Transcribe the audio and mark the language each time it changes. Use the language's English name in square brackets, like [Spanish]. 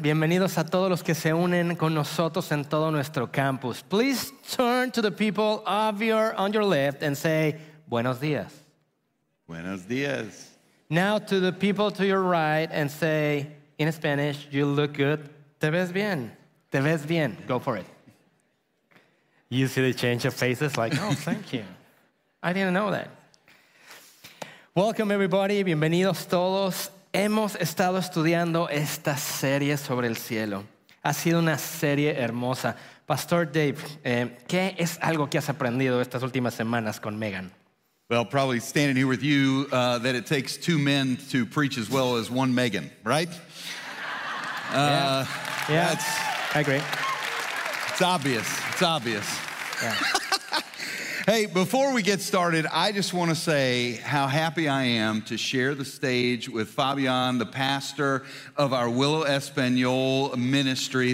[Spanish] Bienvenidos a todos los que se unen con nosotros en todo nuestro campus. [English] Please turn to the people of your on your left and say, [Spanish] buenos días. Buenos días. [English] Now to the people to your right and say, in Spanish, you look good. [Spanish] Te ves bien. Te ves bien. [English] Go for it. You see the change of faces like, oh, thank you. I didn't know that. Welcome, everybody. [Spanish] Bienvenidos todos. Hemos estado estudiando esta serie sobre el cielo. Ha sido una serie hermosa. Pastor Dave, ¿qué es algo que has aprendido estas últimas semanas con Megan? [English] Well, probably standing here with you, that it takes two men to preach as well as one Megan, right? Yeah, that's, I agree. It's obvious. Yeah. Hey, before we get started, I just want to say how happy I am to share the stage with Fabian, the pastor of our Willow Espanol ministry.